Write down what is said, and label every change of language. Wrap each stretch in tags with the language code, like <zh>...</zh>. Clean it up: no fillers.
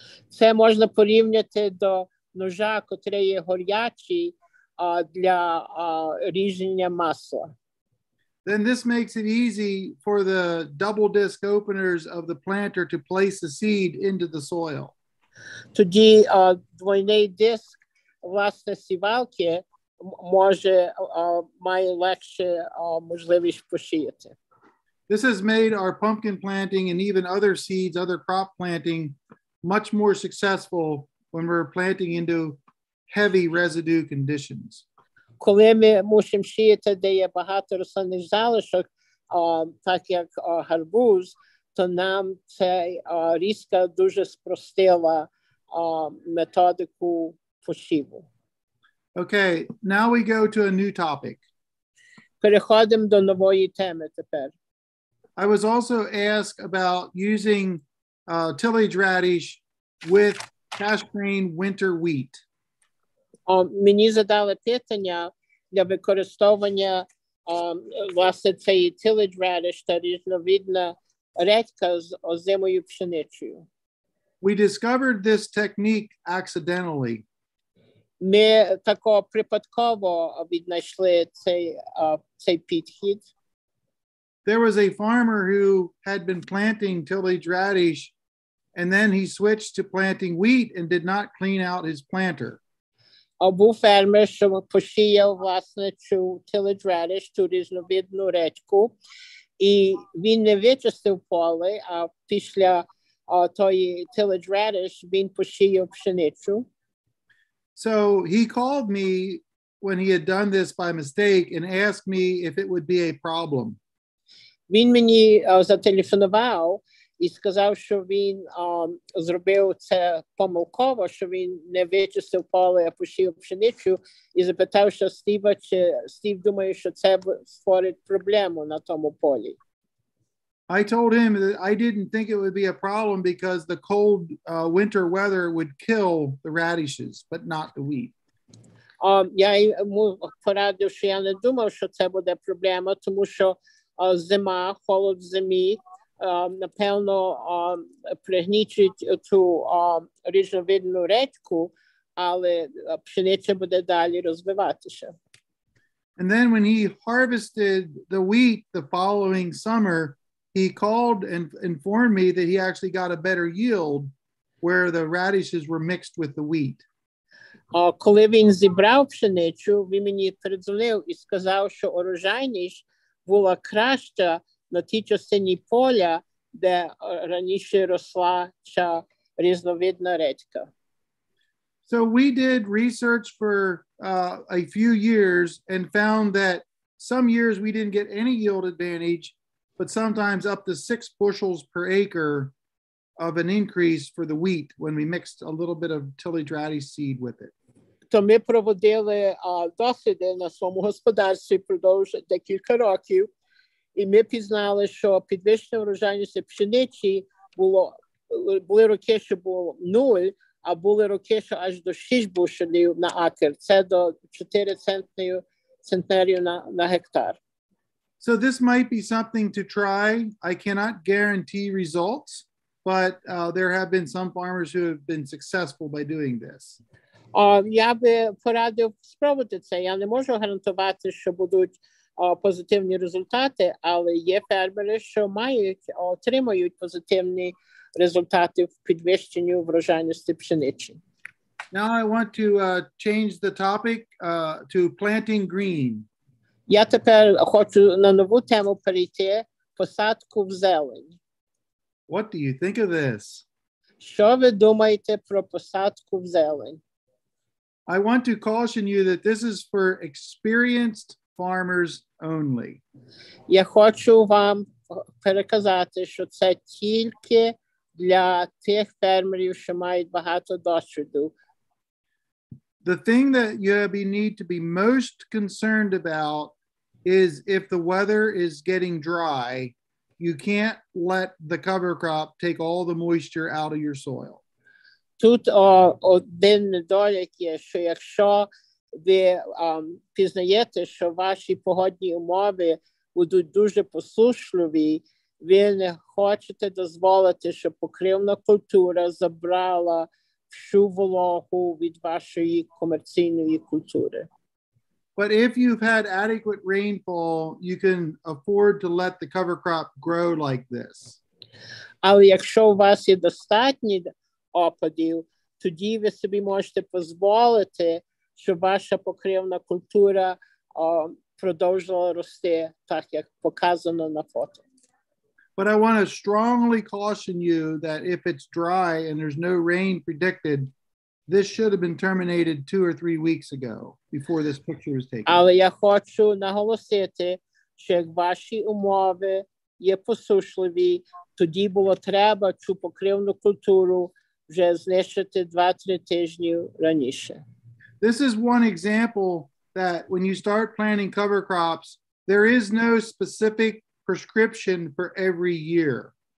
<uk>Це можна порівняти до ножа, котрий є гарячий для різання масла.</uk> <en>Then this makes it easy for the double disc openers of the planter to place the seed into the soil.</en> <uk>Тоді двойний диск власне сівалки може має легше можливість посіяти.</uk> <en>This has made our pumpkin planting and even other seeds, other crop planting, much more successful when we're planting into heavy residue conditions.</en> <uk>Коли ми мусимо сіяти, де є багато рослинних залишок, так як гарбуз, то нам це різка дуже спростила методику посіву.</uk> <en>Okay, now we go to a new topic.</en> <uk>Переходимо до нової теми тепер.</uk> <en>I was also asked about using tillage radish with cash grain winter wheat.</en> <uk>Мені задали питання для використовування власне цієї tillage radish, та різновидна редька з озимою пшеницею.</uk> <en>We discovered this technique accidentally.</en> <uk>Ми тако припадково віднайшли цей підхід.</uk> <en>There was a farmer who had been planting tillage radish, and then he switched to planting wheat and did not clean out his planter.</en> <uk>Був фермер, що посіяв власне цю tillage radish, ту різновидну редьку, і він не вичистив поле, а після тої tillage radish він посіяв пшеницю.</uk> <en>So he called me when he had done this by mistake and asked me if it would be a problem.</en> <uk>Він мені зателефонував і сказав, що він зробив це помилково, що він не вичистив поле, а посіяв пшеницю, і запитав, що Стіва, чи Стів думає, що це створить проблему на тому полі.</uk> <en>I told him that I didn't think it would be a problem because the cold winter weather would kill the radishes, but not the wheat.</en> <uk>Я йому порадив, що я не думав, що це буде проблема, тому що зима, холод зимі, напевно, пригнічить ту різновидну редьку, але пшениця буде далі розвиватися.</uk> <en>And then when he harvested the wheat the following summer, he called and informed me that he actually got a better yield where the radishes were mixed with the wheat.</en> <uk>Коли він зібрав пшеницю, він мені передзвонив і сказав, що урожайність була краща на тій частині поля, де раніше росла ця різновидна редька.</uk> <en>So we did research for a few years and found that some years we didn't get any yield advantage, but sometimes up to 6 bushels per acre of an increase for the wheat when we mixed a little bit of tillage radish seed with it.</en> <uk>То ми проводили досвіди на своєму господарстві впродовж декілька років, і ми пізнали, що підвищення врожайності пшениці були роки, що було 0, а були роки, що аж до 6 бушелів на акер. Це до 4 центнерів на гектар.</uk> <en>So this might be something to try. I cannot guarantee results, but there have been some farmers who have been successful by doing this.</en> <uk>Я би порадив спробувати це. Я не можу гарантувати, що будуть позитивні результати, але є фермери, що отримують позитивні результати в підвищенні врожайності пшениці.</uk> <en>Now I want to change the topic to planting green.</en> <uk>Я тепер хочу на нову тему перейти – посадку в зелень.</uk> <en>What do you think of this?</en> <uk>Що ви думаєте про посадку в зелень?</uk> <en>I want to caution you that this is for experienced farmers only.</en> <uk>Я хочу вам переказати, що це тільки для тих фермерів, що мають багато досвіду.</uk> <en>The thing that you need to be most concerned about is if the weather is getting dry, you can't let the cover crop take all the moisture out of your soil.</en> <uk>тут один недолік є, що якщо ви пізнаєте, що ваші погодні умови будуть дуже послушливі, ви не хочете дозволити, щоб покривна культура забрала всю вологу від вашої комерційної культури.</uk> <en>But if you've had adequate rainfall, you can afford to let the cover crop grow like this.</en> <uk>Але якщо у вас є достатні опадів, тоді ви собі можете дозволити, щоб ваша покривна культура продовжувала рости так, як показано на фото.</uk> <en>But I want to strongly caution you that if it's dry and there's no rain predicted, this should have been terminated 2 or 3 weeks ago before this picture was taken.</en> <uk>Але я хочу наголосити, що як ваші умови є посушливі, тоді було треба цю покривну культуру вже знищити 2-3 тижні раніше.</uk> <en>This is one example that when you start planting cover crops, there is no specific prescription for every year.</en>